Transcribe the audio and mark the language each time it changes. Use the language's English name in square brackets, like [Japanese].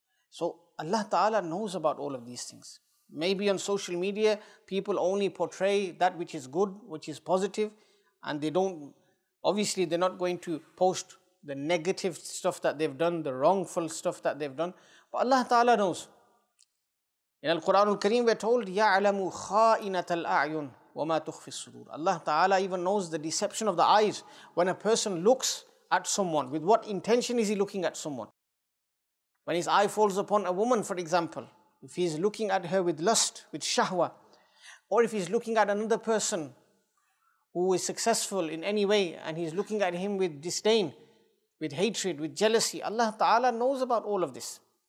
[English] So Allah Ta'ala knows about all of these things. Maybe on social media, people only portray that which is good, which is positive, and they don't, obviously they're not going to post the negative stuff that they've done, the wrongful stuff that they've done. But Allah Ta'ala knows. In Al-Quran Al-Kareem, we're told, [Arabic] يَعْلَمُ خَائِنَةَ الْأَعْيُنِ وَمَا تُخْفِ الصُّدُورِ. [English] Allah Ta'ala even knows the deception of the eyes. When a person looks at someone, with what intention is he looking at someone? When his eye falls upon a woman, for example, if he's looking at her with lust, with shahwa, or if he's looking at another person who is successful in any way, and he's looking at him with disdain, with hatred, with jealousy, Allah Ta'ala knows about all of this.